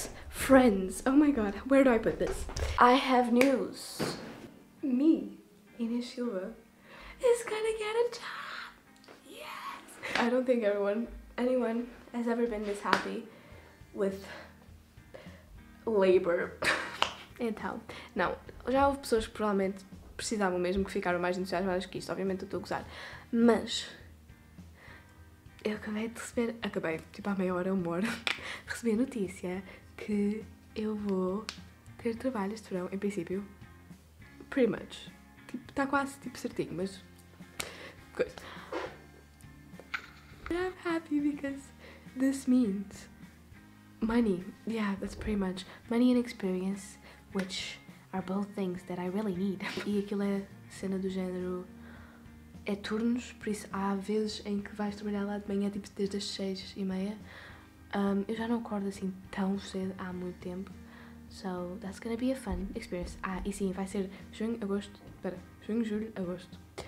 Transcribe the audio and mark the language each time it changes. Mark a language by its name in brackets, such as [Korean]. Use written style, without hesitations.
[English] Friends, oh my god, where do I put this? I have news. Me, Inês Silva, is gonna get a job. Yes! I don't think anyone has ever been this happy with labor. [Portuguese] Então, não, já houve pessoas que provavelmente precisavam mesmo, que ficaram mais entusiasmadas que isto, obviamente eu estou a gozar, mas eu acabei, tipo há meia hora eu moro, recebi a notícia que eu vou ter trabalho este verão, em princípio, [English] pretty much, [Portuguese] tipo, está quase tipo certinho, mas, coisa. [English] I'm happy because this means money, yeah, that's pretty much, money and experience. Which are both things that I really need. [Portuguese] E aquilo é cena do género, é turnos, por isso há vezes em que vais trabalhar lá de manhã, tipo desde as 6:30. Eu já não acordo assim tão cedo há muito tempo. [English] So that's gonna be a fun experience. [Portuguese] Ah, e sim, vai ser junho, agosto, espera, junho, julho, agosto.